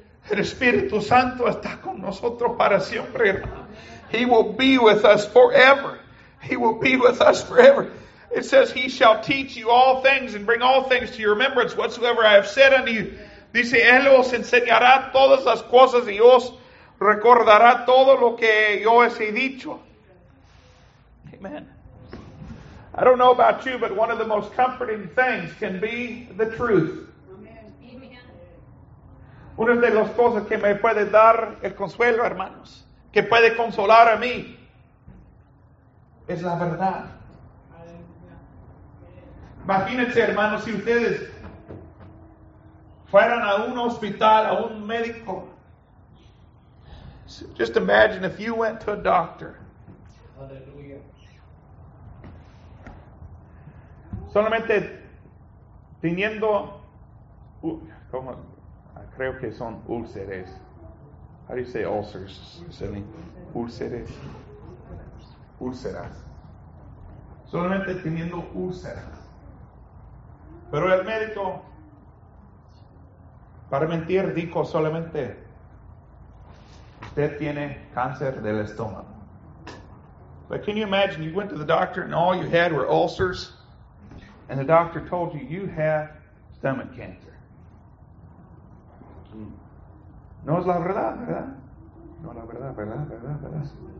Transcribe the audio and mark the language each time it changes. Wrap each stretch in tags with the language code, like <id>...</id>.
<es>El Espíritu Santo está con nosotros para siempre.</es> <en>He will be with us forever. He will be with us forever. It says, he shall teach you all things and bring all things to your remembrance whatsoever I have said unto you.</en> <es>Dice, él os enseñará todas las cosas y os recordará todo lo que yo os he dicho. Amen.</es> <en>I don't know about you, but one of the most comforting things can be the truth.</en> <es>Una de las cosas que me puede dar el consuelo, hermanos, que puede consolar a mí, es la verdad. Imagínense, hermanos, si ustedes fueran a un hospital, a un médico.</es> <en>So just imagine if you went to a doctor. Hallelujah.</en> <es>Solamente teniendo... ¿cómo? Creo que son úlceres.</es> <en>How do you say ulcers?</en> <es>Úlceres. Úlceras. Solamente teniendo úlceras. Pero el médico, para mentir, dijo solamente, usted tiene cáncer del estómago.</es> <en>But can you imagine, you went to the doctor and all you had were ulcers, and the doctor told you, you have stomach cancer.</en> <es>No es la verdad, ¿verdad? No es la verdad, ¿verdad?</es>